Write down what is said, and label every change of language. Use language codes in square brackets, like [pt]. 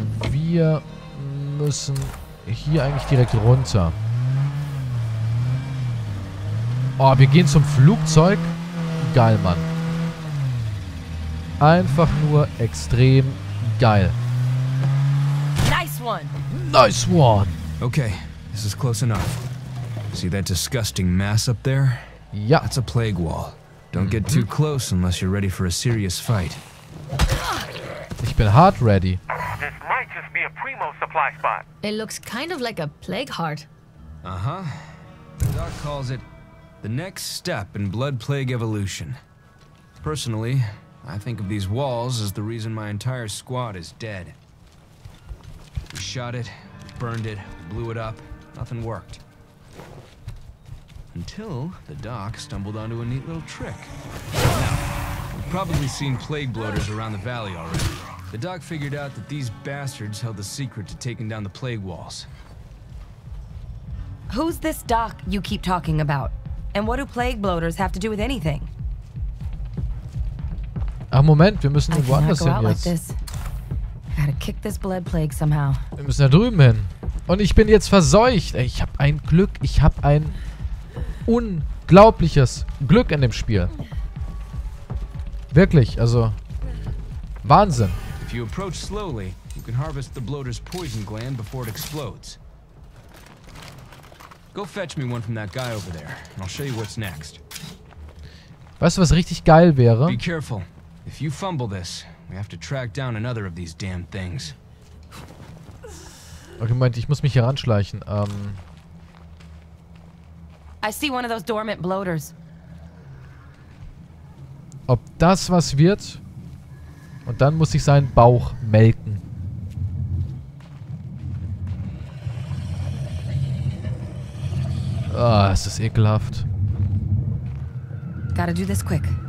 [de] Wir müssen hier eigentlich direkt runter. Oh, wir gehen zum Flugzeug. Geil, Mann. Einfach nur extrem geil. [en] Nice one. Nice one. Okay, this is close enough. See that disgusting mass up there? [de] Ja, [en] it's a plague wall. Don't get too close unless you're ready for a serious fight. [de] Ich bin hart ready. [en] This might just be a primo supply spot. It looks kind of like a plague heart. Uh-huh. The doc calls it the next step in blood plague evolution. Personally, I think of these walls as the reason my entire squad is dead. We shot it, burned it, blew it up. Nothing worked. Until the doc stumbled onto a neat little trick. Now, we've probably seen plague bloaters around the valley already. The doc figured out that these bastards held the secret to taking down the plague walls. Who's this doc you keep talking about? And what do plague bloaters have to do with anything? [de] Ah, Moment, wir müssen woanders hin jetzt. [en] Like gotta kick this blood plague somehow. [de] Wir müssen da drüben hin. Und ich bin jetzt verseucht. Ich habe ein Glück, ich habe ein unglaubliches Glück in dem Spiel. Wirklich, also Wahnsinn. [en] If you approach slowly, you can harvest the bloater's poison gland before it explodes. Go fetch me one from that guy over there, and I'll show you what's next. [de] Weißt du, was richtig geil wäre? [en] Be careful. If you fumble this, we have to track down another of these damn things. [de] Okay, Moment, ich muss mich hier anschleichen. [en] I see one of those dormant bloaters. [de] Ob das was wird? Und dann muss ich seinen Bauch melken. Ah, oh, es ist ekelhaft. [en] Gotta do this quick.